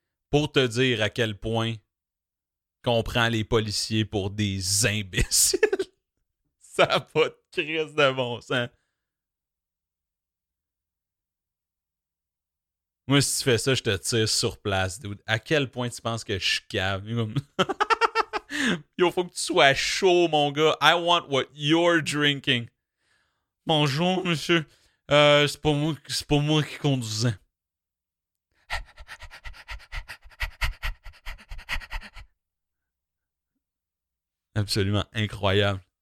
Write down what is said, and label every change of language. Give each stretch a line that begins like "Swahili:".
French: Pour te dire à quel point qu'on prend les policiers pour des imbéciles. Ça n'a pas de crise de bon sens. Moi, si tu fais ça, je te tire sur place. Dude. À quel point tu penses que je suis cave? Yo, faut que tu sois chaud, mon gars.
English: I want what you're drinking.
French: Bonjour, monsieur. C'est pas moi qui conduisais. Absolument incroyable.